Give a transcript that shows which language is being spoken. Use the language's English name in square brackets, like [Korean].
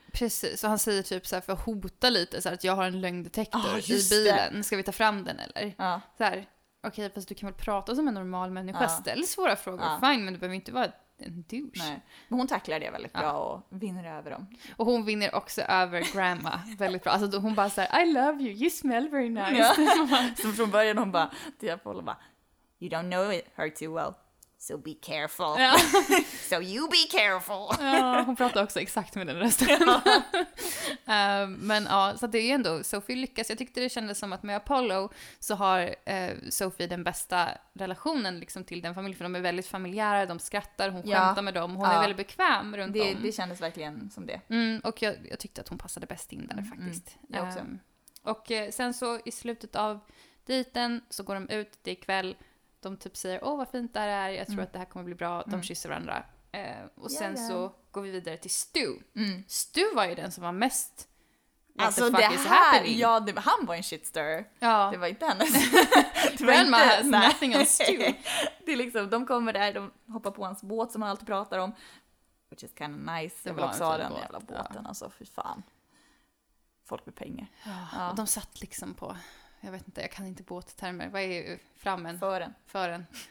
[Swedish] Precis, och han säger typ så här för att hota lite så här att jag har en lögndetektor i bilen. Ska vi ta fram den eller? Så här, okej, fast du kan väl prata som en normal människa. Ställ svåra frågor, fine, men du behöver inte vara... [English] en douche. [Swedish] Nej. Men hon tacklar det väldigt bra och vinner över dem. Och hon vinner också över grandma väldigt bra. Alltså hon bara säger [English] I love you, you smell very nice. [Swedish] Ja. Som från början hon bara, till Apollo bara, [English] you don't know her too well, so be careful. [Swedish] Ja. [English] So you be careful. [Swedish] Ja, hon pratar också exakt med den rösten. Ja. men ja, så det är ju ändå, Sophie lyckas. Jag tyckte det kändes som att med Apollo så har Sophie den bästa relationen liksom till den familjen, för de är väldigt familjära, de skrattar, hon skämtar med dem, hon är väldigt bekväm runt det, dem. Det kändes verkligen som det. Mm, och jag tyckte att hon passade bäst in där faktiskt. Jag också. Och sen så i slutet av dejten så går de ut, det är kväll, de typ säger, åh vad fint det är, jag tror att det här kommer bli bra, de kysser varandra. Och sen så går vi vidare till Stu. Mm. Stu var ju den som var mest alltså det här, ja, det, han var en shitster. Ja. Det var inte den. [English] Grandma has nothing on Stu. [Swedish] Det är liksom, de kommer där, de hoppar på hans båt som han alltid pratar om. [English] Which is kind of nice. [Swedish] Det jag vill också ha den jävla båten. Ja. Alltså, fy fan. Folk med pengar. Ja. Ja. Och de satt liksom på, jag vet inte, jag kan inte båttermer. Vad är frammen? Fören. Fören.